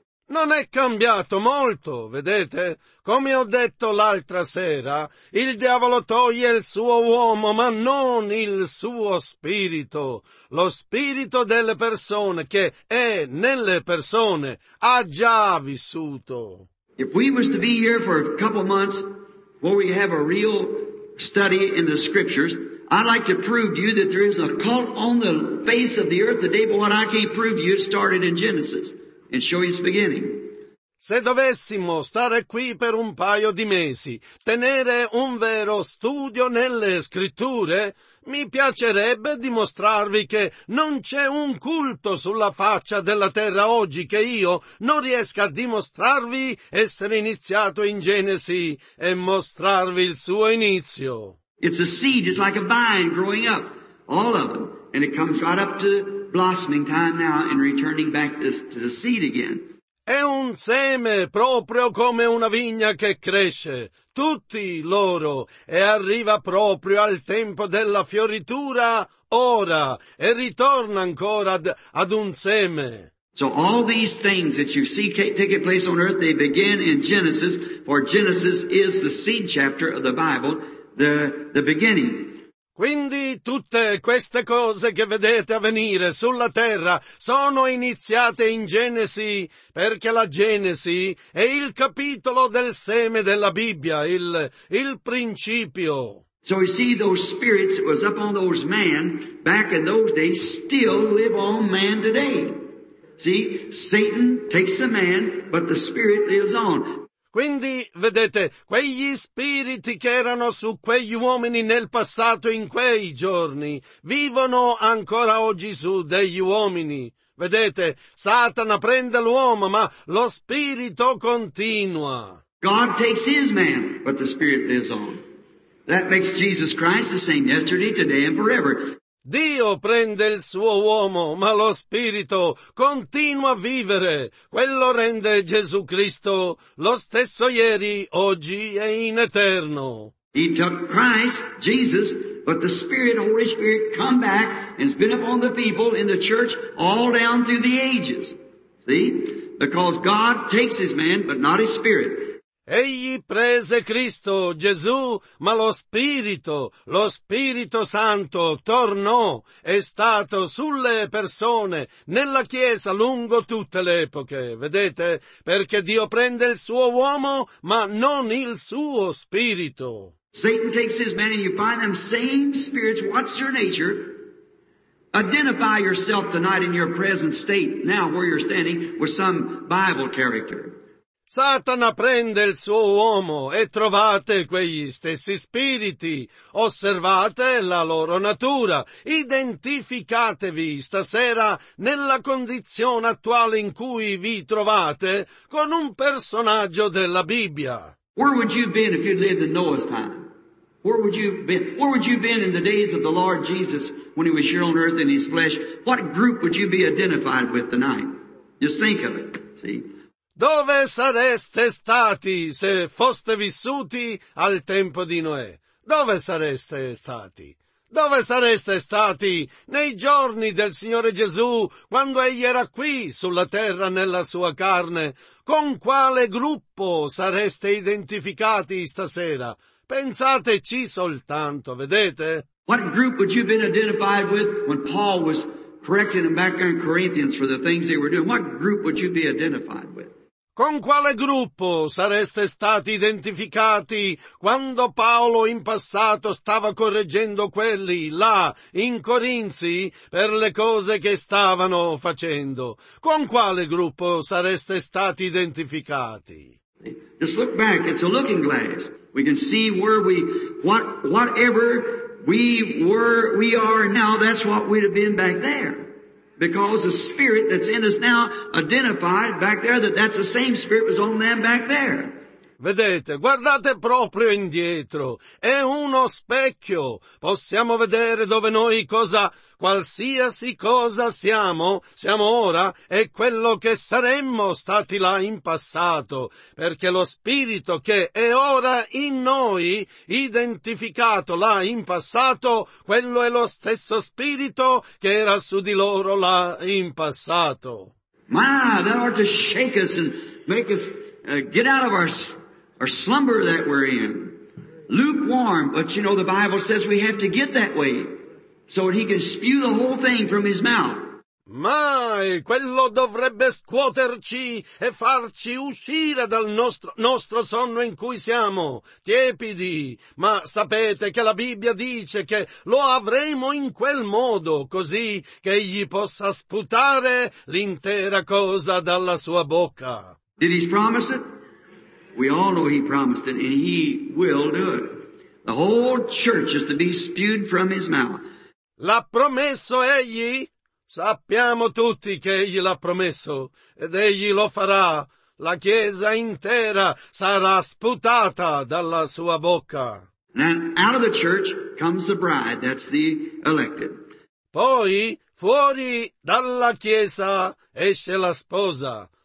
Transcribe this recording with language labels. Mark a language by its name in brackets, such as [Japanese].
[Italian] Non è cambiato molto, vedete? Come ho detto l'altra sera, il diavolo toglie il suo uomo, ma non il suo spirito. Lo spirito delle persone che è nelle persone ha già vissuto. [English] If we was to be here for a couple months, where we have a real study in the scriptures, I'd like to prove to you that there is a cult on the face of the earth today, but what I can't prove to you, it started in Genesis and show you its beginning. [Italian] Se dovessimo stare qui per un paio di mesi, tenere un vero studio nelle scritture, mi piacerebbe dimostrarvi che non c'è un culto sulla faccia della terra oggi che io non riesca a dimostrarvi essere iniziato in Genesi e mostrarvi il suo inizio. [English] It's a seed, it's like a vine growing up, all of them, and it comes right up to blossoming time now and returning back to the seed again. [Italian] È un seme proprio come una vigna che cresce, tutti loro, e arriva proprio al tempo della fioritura ora, e ritorna ancora ad un seme. [English] So all these things that you see taking place on earth, they begin in Genesis, for Genesis is the seed chapter of the Bible, the beginning. [Italian] Quindi tutte queste cose che vedete avvenire sulla terra sono iniziate in Genesi, perché la Genesi è il capitolo del seme della Bibbia, il principio. [English] So you see those spirits that was up on those men back in those days still live on man today. See, Satan takes a man, but the spirit lives on. [Italian] Quindi, vedete, quegli spiriti che erano su quegli uomini nel passato in quei giorni, vivono ancora oggi su degli uomini. Vedete, Satana prende l'uomo, ma lo spirito continua. [English] God takes his man, but the spirit lives on. That makes Jesus Christ the same yesterday, today and forever. [Italian] Dio prende il suo uomo, ma lo Spirito continua a vivere. Quello rende Gesù Cristo lo stesso ieri, oggi e in eterno. [English] He took Christ, Jesus, but the Spirit, Holy Spirit, come back and has been upon the people in the church all down through the ages. See? Because God takes his man, but not his spirit. [Italian] Egli prese Cristo, Gesù, ma lo Spirito Santo, tornò, è stato sulle persone, nella Chiesa, lungo tutte le epoche. Vedete? Perché Dio prende il suo uomo, ma non il suo spirito. [English] Satan takes his man and you find them same spirits. What's your nature? Identify yourself tonight in your present state, now where you're standing, with some Bible character. [Italian] Satana prende il suo uomo e trovate quegli stessi spiriti. Osservate la loro natura. Identificatevi stasera nella condizione attuale in cui vi trovate con un personaggio della Bibbia. [English] Where would you have been if you'd lived in Noah's time? Where would you have been? Where would you have been in the days of the Lord Jesus when he was here on earth in his flesh? What group would you be identified with tonight? Just think of it. See? [Italian] Dove sareste stati se foste vissuti al tempo di Noè? Dove sareste stati? Dove sareste stati nei giorni del Signore Gesù, quando Egli era qui sulla terra nella sua carne? Con quale gruppo sareste identificati stasera? Pensateci soltanto, vedete? [English] What group would you have been identified with when Paul was correcting them back in Corinthians for the things they were doing? What group would you be identified with? [Italian] Con quale gruppo sareste stati identificati quando Paolo in passato stava correggendo quelli là in Corinzi per le cose che stavano facendo? Con quale gruppo sareste stati identificati? [English] Just look back, it's a looking glass. We can see where whatever we are now, that's what we'd have been back there. Because the spirit that's in us now identified back there that's the same spirit was on them back there. [Italian] Vedete, guardate proprio indietro. È uno specchio. Possiamo vedere dove noi cosa, qualsiasi cosa siamo ora, è quello che saremmo stati là in passato. Perché lo spirito che è ora in noi, identificato là in passato, quello è lo stesso spirito che era su di loro là in passato. [English] Ma, that ought to shake us and make us get out of our slumber that we're in, lukewarm, but you know the Bible says we have to get that way, so that he can spew the whole thing from his mouth. [Italian] Mai, quello dovrebbe scuoterci e farci uscire dal nostro sonno in cui siamo, tiepidi, ma sapete che la Bibbia dice che lo avremo in quel modo, così che egli possa sputare l'intera cosa dalla sua bocca. [English] Did he promise it? We all know he promised it, and he will do it. The whole church is to be spewed from his mouth. [Italian] L'ha promesso egli? Sappiamo tutti che egli l'ha promesso, ed egli lo farà. La chiesa intera sarà sputata dalla sua bocca. [English] Now, out of the church comes the bride, that's the elected. [Italian] Poi, fuori dalla chiesa, esce la sposa.